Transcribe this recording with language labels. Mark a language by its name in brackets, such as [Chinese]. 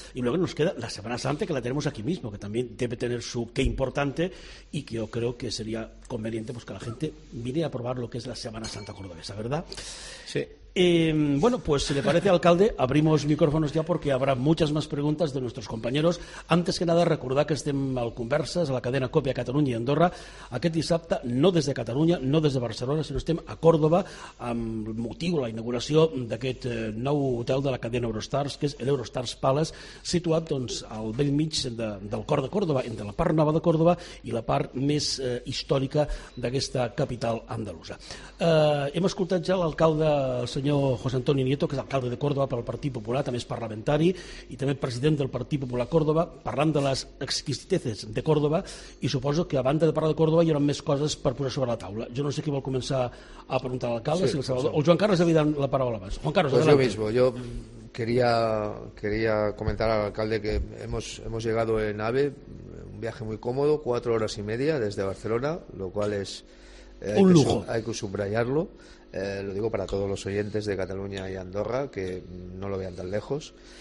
[Spanish] Y luego nos queda la Semana Santa, que la tenemos aquí mismo, que también debe tener su qué importante, y que yo creo que sería conveniente pues que la gente viniera a probar lo que es la Semana Santa cordobesa, ¿verdad? Sí. Bueno, pues si le parece, alcalde, abrimos micrófonos ya porque habrá muchas más preguntas de nuestros compañeros. [Catalan] Antes que nada, recordad que estem al Converses, a la cadena COPE a Catalunya i Andorra, aquest dissabte, no des de Catalunya, no des de Barcelona, sinó estem a Còrdoba, amb motiu la inauguració d'aquest nou hotel de la cadena Eurostars, que és l'Eurostars Palace, situat doncs, al vell mig del cor de Còrdoba, entre la part nova de Còrdoba i la part més històrica d'aquesta capital andalusa. Hem escoltat ja l'alcalde, el senyor José Antonio Nieto, que és alcalde de Còrdoba pel Partit Popular, també és parlamentari i també president del Partit Popular Còrdoba, parlant de les exquisiteces de Còrdoba, i suposo que a banda de parlar de Còrdoba hi haurà més coses per posar sobre la taula. Jo no sé qui vol començar a preguntar a l'alcalde, sí, si el Salvador, sí, o el Joan Carles, evident, la paraula abans. Joan Carles, [Spanish] pues yo mismo, yo quería comentar al alcalde que hemos llegado en AVE, un viaje muy cómodo, 4 horas y media desde Barcelona, lo cual es un lujo. Hay que subrayarlo. Lo digo para todos los oyentes de Cataluña y Andorra, que no lo vean tan lejos.